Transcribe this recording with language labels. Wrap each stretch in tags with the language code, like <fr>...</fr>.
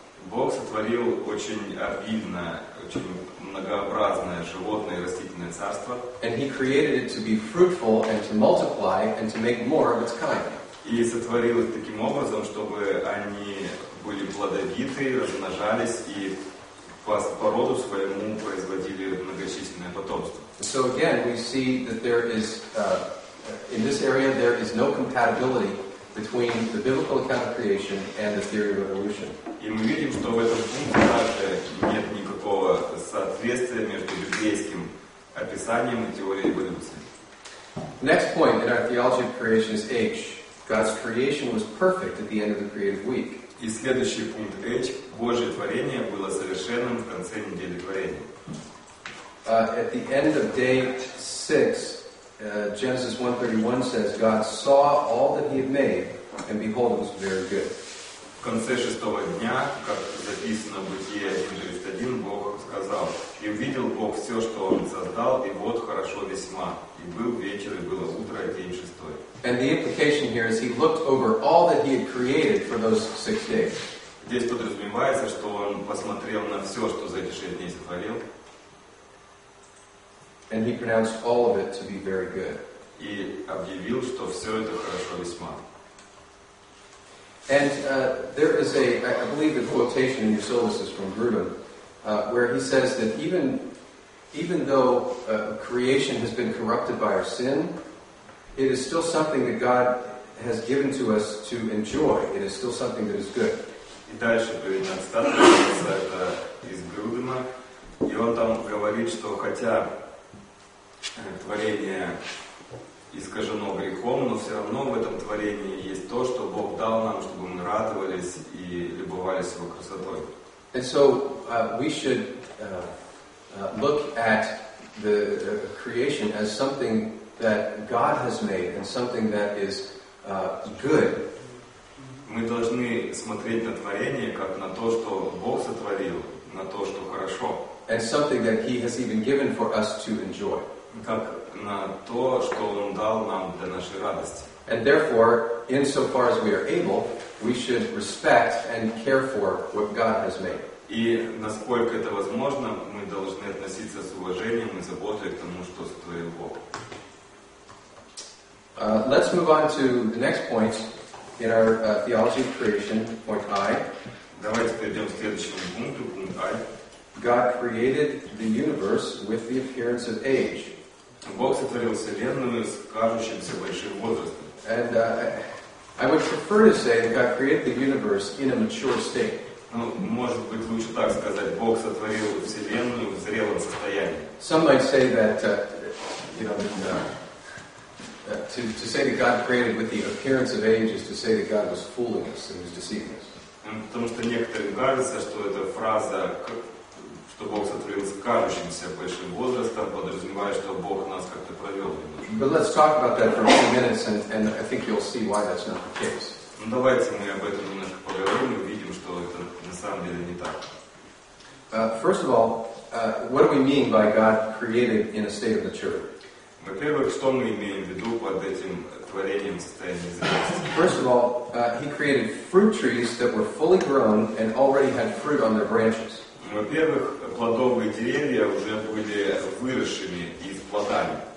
<ru>Бог сотворил очень обильное, очень многообразное животное и растительное царство.</ru> <en>And he created it to be fruitful and to multiply and to make more of its kind.</en> <ru>И сотворил их таким образом, чтобы они были плодовиты, размножались и по роду своему производили многочисленное потомство.</ru> <en>So again, we see that there is in this area there is no compatibility between the biblical account of creation and the theory of evolution.</en> <ru>И мы видим, что в этом пункте также нет никакого соответствия между библейским описанием и теорией эволюции.</ru> <en>Next point in our theology of creation is H. God's creation was perfect at the end of the creative week.</en> <ru>И следующий пункт H. Божье творение было совершенным в конце недели творения.</ru> <en>At the end of day 6, Genesis 1:31 says, God saw all that he had made, and behold, it was very good.</en> <ru>конце шестого дня, как записано в Бытие 1.31, Бог сказал, и увидел Бог все, что Он создал, и вот хорошо весьма. И был вечер, и было утро, и день шестой.</ru> <en>And the implication here is he looked over all that he had created for those six days.</en> <ru>Здесь подразумевается, что он посмотрел на все, что за эти шесть дней сотворил.</ru> <en>And he pronounced all of it to be very good.</en> <ru>И объявил, что все это хорошо весьма.</ru> <en>And there is a, I believe, a quotation in your syllabus from Grudem, where he says that even though creation has been corrupted by our sin, it is still something that God has given to us to enjoy. It is still something that is good.</en> <ru>И дальше приведен статус из Грудема, и он там говорит, что хотя творение искажено грехом, но все равно в этом творении есть то, что Бог дал нам, чтобы мы радовались и любовались Его красотой.</ru> <en>And so we should look at the creation as something that God has made and something that is good.</en> <ru>Мы должны смотреть на творение как на то, что Бог сотворил, на то, что хорошо.</ru> <en>And something that He has even given for us to enjoy.</en> <ru>Как на то, что Он дал нам для нашей радости.</ru> <en>And therefore, in so far as we are able, we should respect and care for what God has made.</en> <ru>И насколько это возможно, мы должны относиться с уважением и заботой к тому, что сотворил Бог.</ru> <en>Let's move on to the next point in our theology of creation, point I.</en> <ru>Давайте перейдем к следующему пункту, пункт I.</ru> <en>God created the universe with the appearance of age.</en> <ru>Бог сотворил вселенную с кажущимся большим возрастом.</ru> <en>And I would prefer to say that God created the universe in a mature state.</en> <ru>Ну, может быть, лучше так сказать, Бог сотворил вселенную в зрелом состоянии.</ru> <en>Some might say that, to say that God created with the appearance of age is to say that God was fooling us and was deceiving us.</en> <ru>Потому что некоторым кажется, что эта фраза, что Бог сотворил с кажущимся большим возрастом, подразумевает, что Бог нас как-то провел немножко.</ru> <en>But let's talk about that for a few minutes, and I think you'll see why that's not the case.</en> <ru>Ну, давайте мы об этом немножко поговорим и увидим, что это на самом деле не так.</ru> <en>First of all, what do we mean by God created in a state of maturity?</en> <ru>Во-первых, что мы имеем в виду под этим творением состояния зрелости?</ru> <en>First of all, he created fruit trees that were fully grown and already had fruit on their branches.</en> <ru>Во-первых, плодовые деревья уже были выросшими и с плодами.</ru>